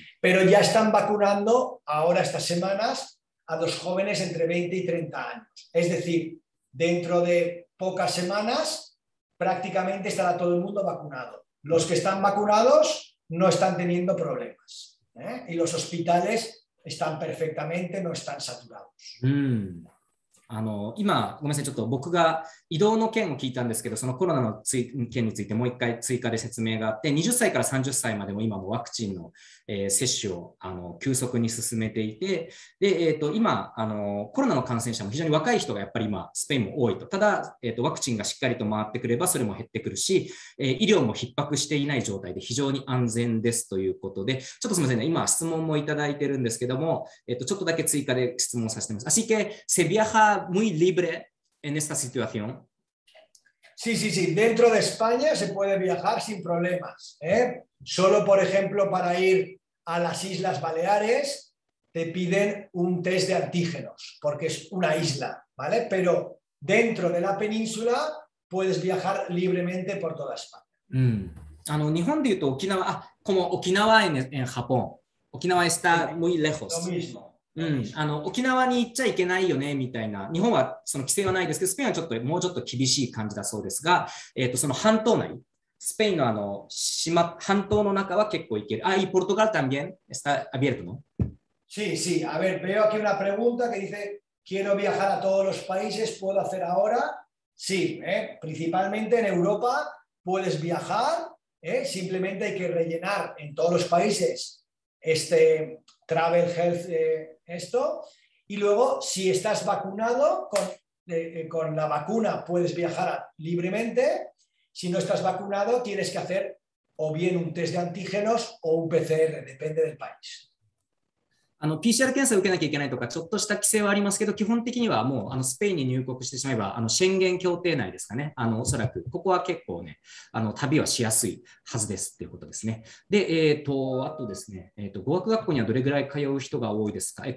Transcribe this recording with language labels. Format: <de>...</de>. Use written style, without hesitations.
<es>Pero ya están vacunando ahora estas semanas a los jóvenes entre 20 y 30 años. Es decir, dentro de pocas semanas prácticamente estará todo el mundo vacunado. Los que están vacunados no están teniendo problemas, ¿eh? Y los hospitales están perfectamente, no están saturados.</es> <ja>あの今ごめんなさいちょっと僕が移動の件を聞いたんですけどそのコロナの件についてもう一回追加で説明があって20歳から30歳までも今もワクチンの、接種をあの急速に進めていてで、今あのコロナの感染者も非常に若い人がやっぱり今スペインも多いとただ、ワクチンがしっかりと回ってくればそれも減ってくるし、医療も逼迫していない状態で非常に安全ですということでちょっとすみませんね今質問もいただいてるんですけども、ちょっとだけ追加で質問させてます</ja> <es>así que se viajaMuy libre en esta situación. Sí, sí, sí. Dentro de España se puede viajar sin problemas, ¿eh? Solo, por ejemplo, para ir a las Islas Baleares te piden un test de antígenos porque es una isla, ¿vale? Pero dentro de la península puedes viajar libremente por toda España.</es> <ja>あの、日本で言うと沖縄、あ、</ja> <es>como Okinawa en Japón. Okinawa está muy lejos. Lo mismo.</es> <ja>うん、あの沖縄に行っちゃいけないよねみたいな日本はその規制はないですけどスペインはちょっともうちょっと厳しい感じだそうですが、その半島内スペイン の, あの島半島の中は結構行けるあ、いポルトガル</ja> <es>también está abierto no? Sí, sí, a ver, veo aquí una pregunta que dice quiero viajar a todos los países, ¿puedo hacer ahora? Sí, ¿eh? Principalmente en Europa puedes viajar, ¿eh? Simplemente hay que rellenar en todos los países este... Travel Health, esto. Y luego, si estás vacunado, con la vacuna puedes viajar libremente. Si no estás vacunado, tienes que hacer o bien un test de antígenos o un PCR, depende del país.</es> <ja>あの PCR 検査を受けなきゃいけないとか、ちょっとした規制はありますけど、基本的にはもうあのスペインに入国してしまえば、あのシェンゲン協定内ですかね。あのおそらく、ここは結構ね、あの旅はしやすいはずですっていうことですね。で、あとですね、語学学校にはどれぐらい通う人が多いですか？</ja>